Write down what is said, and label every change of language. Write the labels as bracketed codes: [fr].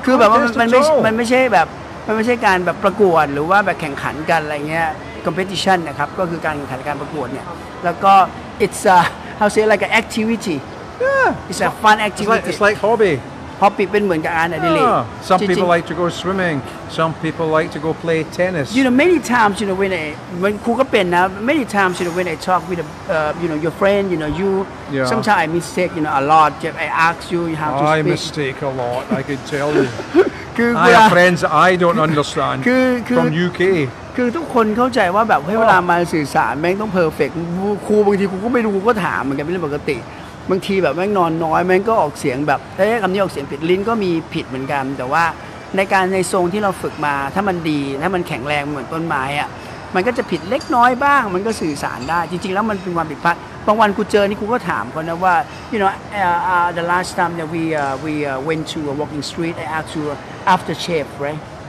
[th] คือแบบว่ามันไม่ใช่แบบมันไม่ใช่การแบบประกวดหรือว่าแบบแข่งขันกันอะไรเงี้ย competition นะครับก็คือการแข่งขันการประกวดเนี่ยแล้วก็ [en] it's a how say like an activity yeah it's a fun activity it's like hobby [th] เป็นเหมือนกับการอะไรเลย [en] some people like to go swimming some people like to go play tennis you know many times you know when [th] ครูก็เป็นนะ [en] many times you know when I talk with you know your friend you know you yeah. sometimes I mistake you know a lot I ask you how to speak I mistake a lot I can tell you I have friends I don't understand from UK. [th] คือทุกคนเข้าใจว่าแบบให้เวลามาสื่อสารแม่งต้องเพอร์เฟกต์ครูบางทีกูก็ไม่รู้กูก็ถามเหมือนกันเป็นเรื่องปกติบางทีแบบแม่งนอนน้อยแม่งก็ออกเสียงแบบเอ๊ะคำนี้ออกเสียงผิดลิ้นก็มีผิดเหมือนกันแต่ว่าในทรงที่เราฝึกมาถ้ามันดีถ้ามันแข็งแรงเหมือนต้นไม้อะมันก็จะผิดเล็กน้อยบ้างมันก็สื่อสารได้จริงๆแล้วมันเป็นความผิดพลาดบางวันกูเจอนี่กูก็ถามคนนะว่า [en] you know the last time that we went to a walking street I asked youAftershave, right?